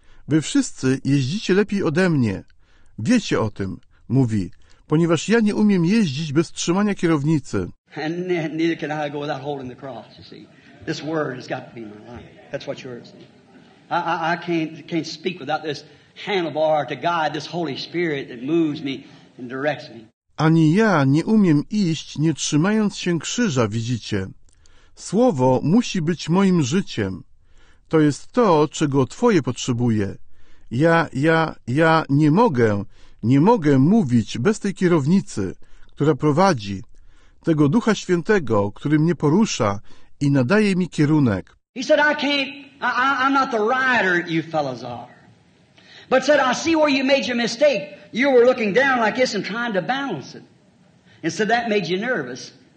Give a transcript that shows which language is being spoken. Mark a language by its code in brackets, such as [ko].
[pl] Wy wszyscy jeździcie lepiej ode mnie. Wiecie o tym, mówi, ponieważ ja nie umiem jeździć bez trzymania kierownicy. [en] And neither can I go without holding the cross, you see. This word has got to be my life. That's what you're saying. I can't speak without this handlebar to guide this Holy Spirit that moves me and directs me. [pl] Ani ja nie umiem iść, nie trzymając się krzyża, widzicie. Słowo musi być moim życiem. To jest to, czego Twoje potrzebuję. Ja nie mogę mówić bez tej kierownicy, która prowadzi, tego Ducha Świętego, który mnie porusza i nadaje mi kierunek. [en] He said, I can't, I'm not the rider you fellows are. But said, I see where you made your mistake. You were looking down like this and trying to balance it. And said, that made you nervous.